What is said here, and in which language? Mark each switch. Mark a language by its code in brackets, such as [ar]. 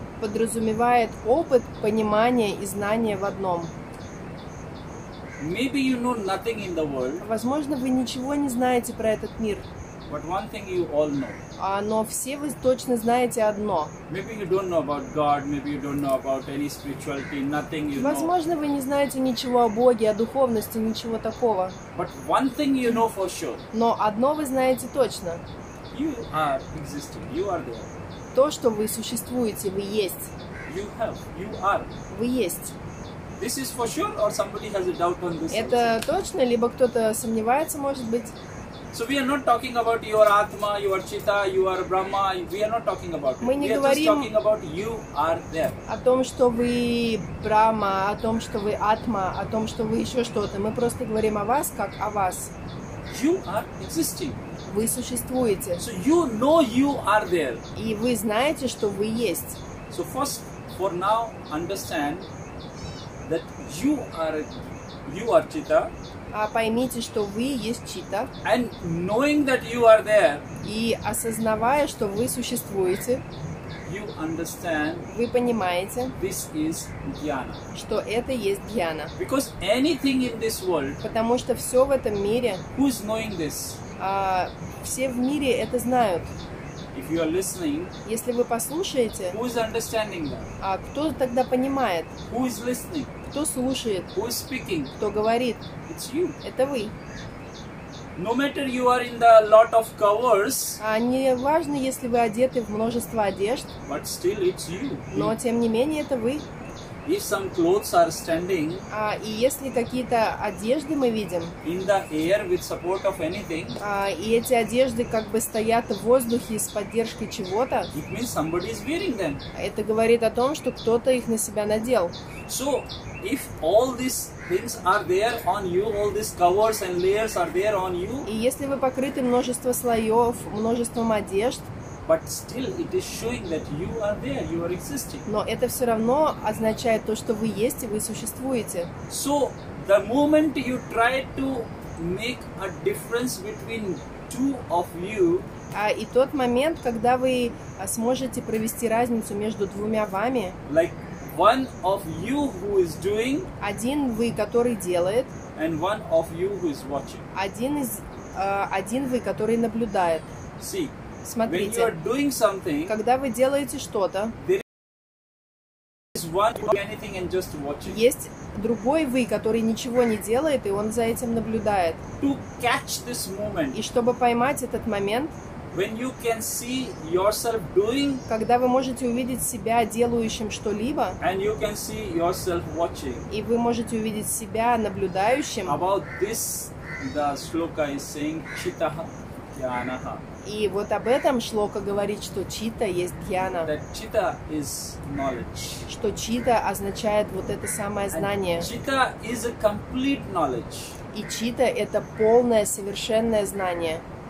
[ru] Подразумевает опыт, понимание и знание в одном. [en] Maybe you know nothing in the world. [ru] Возможно, вы ничего не знаете про этот мир. [en] But one thing you all know. [ru] Но все вы точно знаете одно. [en] Maybe you don't know about God, maybe you don't know about any spirituality, nothing you know. [ru] Возможно, вы не знаете ничего о Боге, о духовности, ничего такого. [en] But one thing you know for sure. [ru] Но одно вы знаете точно. [en] You are existing, you are there. [ru] То, что вы существуете, вы есть. [en] You have, you are. [ru] Вы есть. [en] This is for sure or somebody has a doubt on this? [ru] Это точно, либо кто-то сомневается, может быть. [en] So we are not talking about your Atma, your Chitta, your Brahma. We are not talking about it. We are just talking about you are there. [ru] О том, что вы Брахма, о том, что вы Атма, о том, что вы еще что-то. Мы просто говорим о вас, как о вас. [en] You are existing. [ru] Вы существуете. [en] So you know you are there. [ru] И вы знаете, что вы есть. [en] So first, for now, understand that you are Chitta. [ru] Поймите, что вы есть чита. [en] And knowing that you are there, [ru] и осознавая, что вы существуете, [en] you understand, [ru] вы понимаете, [en] this is jnana. [ru] Что это есть джьяна. [en] Because anything in this world, [ru] потому что все в этом мире, [en] who's knowing this? [ru] Все в мире это знают. [en] If you are listening, [ru] если вы послушаете, [en] who's understanding that? [ru] Кто тогда понимает? [en] Who is listening? [ru] Кто слушает? [en] Who is speaking? [ru] Кто говорит? [en] It's you. [ru] Это вы. [en] No matter you are in the lot of covers. [ru] А не важно, если вы одеты в множество одежд. [en] But still it's you. [ru] Но тем не менее это вы. [en] If some clothes are standing. [ru] А и если какие-то одежды мы видим. [en] In the air with support of anything. [ru] А и эти одежды как бы стоят в воздухе с поддержкой чего-то. [en] It means somebody is wearing them. [ru] Это говорит о том, что кто-то их на себя надел. [en] So if all these things are there on you, all these covers and layers are there on you. [ru] И если вы покрыты множеством слоев, множеством одежд. [en] But still, it is showing that you are there, you are existing. [ru] Но это все равно означает то, что вы есть и вы существуете. [en] So the moment you try to make a difference between two of you. [ru] А и тот момент, когда вы сможете провести разницу между двумя вами. [en] Like one of you who is doing. [ru] Один вы, который делает. [en] And one of you who is watching. [ru] Один вы, который наблюдает. [en] See. [ru] Смотрите, [en] when you are doing something, [ru] когда вы делаете что-то, есть другой вы, который ничего не делает, и он за этим наблюдает. [en] To catch this moment, [ru] и чтобы поймать этот момент, [en] when you can see yourself doing, [ru] когда вы можете увидеть себя делающим что-либо, [en] and you can see yourself watching, [ru] и вы можете увидеть себя наблюдающим, [en] about this, the shloka is saying, [sa] chitaha dhyanaha. [ru] И вот об этом шлока говорит, что чита есть дхьяна. Что чита означает вот это самое знание. И чита это полное, совершенное знание.